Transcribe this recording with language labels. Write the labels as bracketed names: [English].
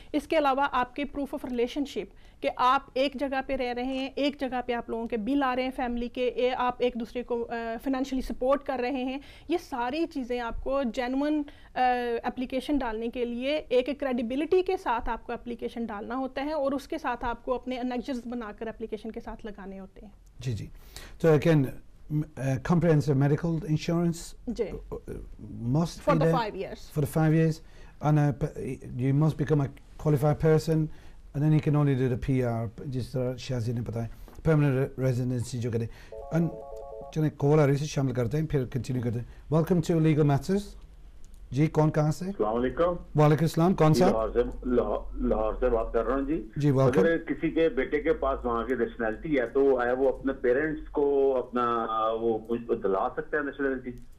[Hindi] इसके अलावा आपके प्रूफ ऑफ रिलेशनशिप कि आप एक जगह पे रह रहे हैं, एक जगह पे आप लोगों के बिल आ रहे हैं फैमिली के, आप एक दूसरे को फाइनेंशियली सपोर्ट कर रहे हैं, ये सारी चीज़ें आपको जेन्युइन एप्लीकेशन डालने के लिए एक क्रेडिबिलिटी के साथ आपको एप्लीकेशन डालना होता है, और उसके साथ आपको अपने अनेक्सर्स बनाकर एप्लीकेशन के साथ लगाने होते हैं. जी जी. [English] तो again comprehensive medical insurance must for the 5 years. For the 5 years and you must become a qualified person. And then you can only do the PR, [Hindi] जिस तरह शाजी ने बताया, [English] permanent residency [Hindi] जो करें. And चलें कॉल आ रही है, शामिल करते हैं, फिर कंटिन्यू करते हैं. [English] Welcome to legal matters. [Hindi] जी कौन कहाँ से? अस्सलाम वालेकुम. वालेकुम सलाम. कौन सा? लाहौर से बात कर रहा हूँ जी. जी वेलकम. अगर किसी के बेटे के पास वहाँ की नेशनैलिटी है तो आया वो अपने पेरेंट्स को अपना वो दिला सकते हैं नेशनैलिटी?